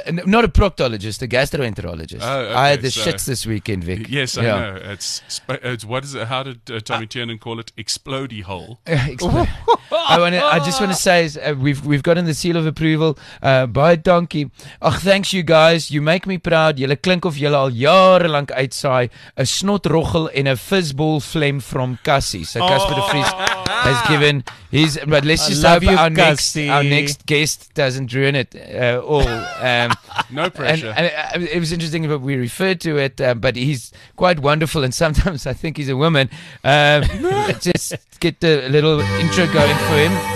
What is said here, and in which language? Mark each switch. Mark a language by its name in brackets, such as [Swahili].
[English] Not a proctologist, a gastroenterologist. Oh, okay, I had the shits this weekend, Vic. Yes, yeah. I know. How did Tommy Tiernan call it? Explodey hole. I just want to say is we've gotten the seal of approval by Donkey. Oh, thanks you guys. You make me proud. [Afrikaans] Julle klink of julle al jare lank uitsaai 'n snotroggel en 'n [English] fizzball phlegm from Cassie. So Casper de Vries has given his, but let's just hope our next guest doesn't ruin it all. no pressure. And it was interesting, but we referred to it, but he's quite wonderful, and sometimes I think he's a woman. let's just get a little intro going for him.